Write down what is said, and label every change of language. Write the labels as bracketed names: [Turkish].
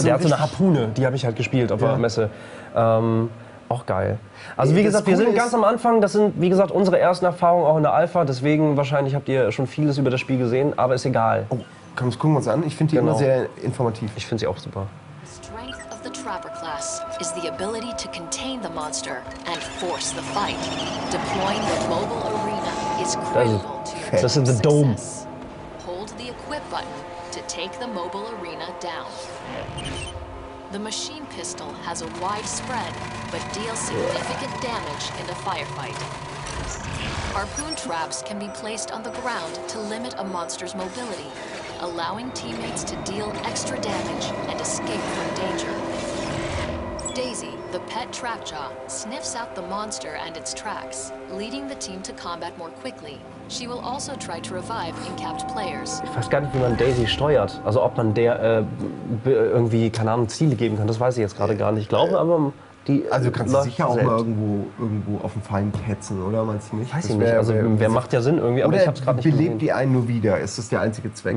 [German] so. Der hat so eine Harpune, die habe ich halt gespielt auf der Messe. Auch geil. Also wie gesagt, wir sind ganz am Anfang. Das sind, wie gesagt, unsere ersten Erfahrungen auch in der Alpha. Deswegen wahrscheinlich habt ihr schon vieles über das Spiel gesehen, aber ist egal. Oh, komm, gucken wir uns an. Ich finde die immer sehr informativ. Ich finde sie auch super. [English] The strength of the Trapper class is the ability to contain the monster and force the fight. Deploying the mobile arena. [German] Das ist der Dome. [English] Hold the equip button to take the mobile arena down. The machine pistol has a wide spread, but deals significant damage in a firefight. Harpoon traps can be placed on the ground to limit a monster's mobility, allowing teammates to deal extra damage and escape from danger. Daisy, the pet trapjaw, sniffs out the monster and its tracks, leading the team to combat more quickly. She will also try to revive incapped players. [German] Ich weiß gar nicht, wie man Daisy steuert. Also ob man der irgendwie, keine Ahnung, Ziele geben kann, das weiß ich jetzt gerade gar nicht. Ich glaube, aber die Also kannst du sicher auch mal irgendwo auf den Feind hetzen, oder? Meinst du nicht? Weiß ich nicht. Also wer macht ja Sinn irgendwie, aber ich hab's gerade nicht gesehen. Belebt die einen nur wieder? Ist das der einzige Zweck?